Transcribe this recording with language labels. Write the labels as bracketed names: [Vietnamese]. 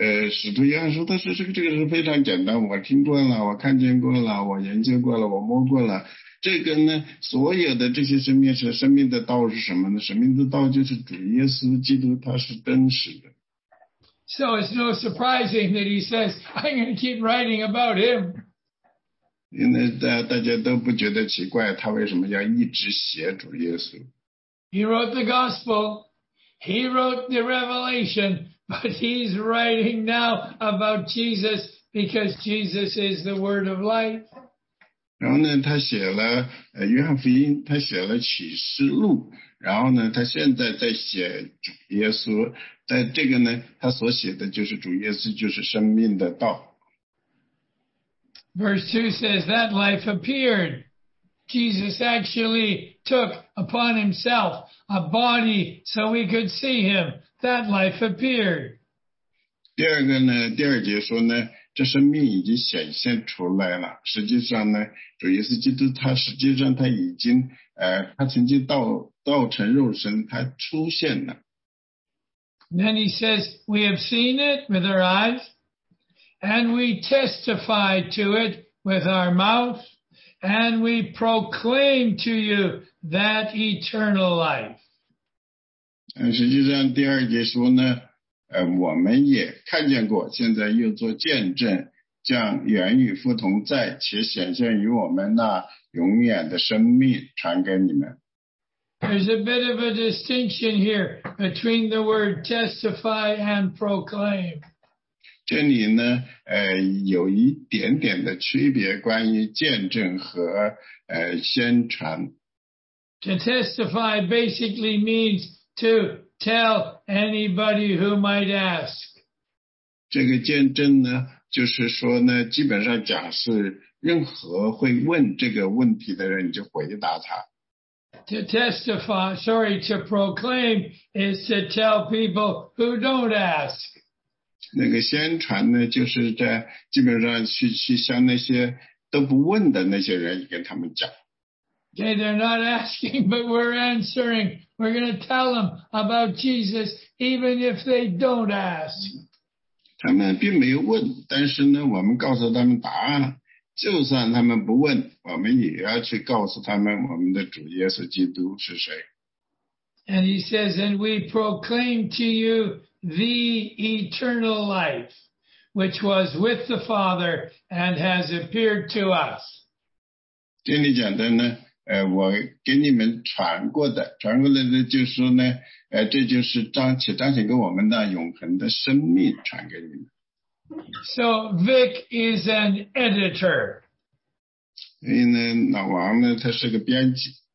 [Chinese] 使徒约翰说，但是这个是非常简单，我听过了，我看见过了，我研究过了，我摸过了。这个呢，所有的这些生命是生命的道是什么呢？生命的道就是主耶稣基督，他是真实的。 [English] So it's no surprising that he says, I'm going to keep writing about him. [Chinese] 因为大家都不觉得奇怪，他为什么要一直写主耶稣。 [English] He wrote the gospel. He wrote the revelation. But he's writing now about Jesus because Jesus is the word of life. [Chinese] 然后呢，他写了约翰福音，他写了启示录。然后呢，他现在在写主耶稣，在这个呢，他所写的就是主耶稣，就是生命的道。 [English] Verse 2 says that life appeared. Jesus actually took upon himself a body so we could see him. That life appeared. [Chinese] 第二个呢，第二节说呢，这生命已经显现出来了。实际上呢，主耶稣基督他实际上他已经他曾经道成肉身，他出现了。 [English] Then he says, we have seen it with our eyes, and we testify to it with our mouth, and we proclaim to you that eternal life. [Chinese] 实际上第二节说呢，我们也看见过，现在又做见证，将原与父同在，且显现于我们那永远的生命传给你们。 [English] There's a bit of a distinction here between the word testify and proclaim. [Chinese] 这里呢，有一点点的区别，关于见证和宣传。 [English] To testify basically means to tell anybody who might ask. [Chinese] 这个见证呢，就是说呢，基本上假设任何会问这个问题的人，你就回答他。 [English] To proclaim is to tell people who don't ask. [Chinese] 那个宣传呢，就是在基本上去向那些都不问的那些人跟他们讲。 [English] Okay, they're not asking, but we're answering. We're going to tell them about Jesus, even if they don't ask. [Chinese] 他们并没有问，但是呢，我们告诉他们答案。就算他们不问，我们也要去告诉他们我们的主耶稣基督是谁。 [English] And he says, and we proclaim to you the eternal life, which was with the Father and has appeared to us. [Chinese] 这里讲的呢，我给你们传过来的就是呢，这就是彰显给我们的永恒的生命传给你们。 [English] So Vic is an editor. [Chinese] 因为呢，老王呢，他是个编辑。